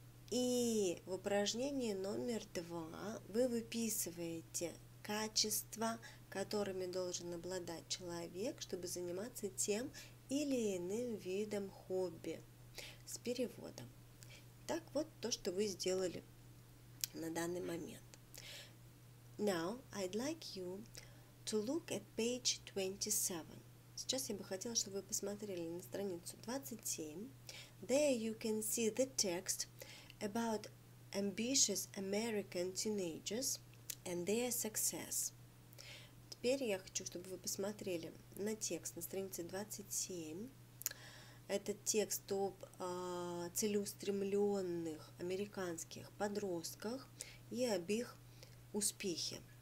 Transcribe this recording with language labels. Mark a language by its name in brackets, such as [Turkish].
[Russian] И в упражнении номер 2 вы выписываете качества, которыми должен обладать человек, чтобы заниматься тем или иным видом хобби с переводом. Так вот то, что вы сделали на данный момент. [English] Now I'd like you to look at page 27. [Russian] Сейчас я бы хотела, чтобы вы посмотрели на страницу 27. [English] There you can see the text about ambitious American teenagers and their success. [Russian] Теперь я хочу, чтобы вы посмотрели на текст на странице 27. Этот текст об целеустремленных американских подростках и об их успехе.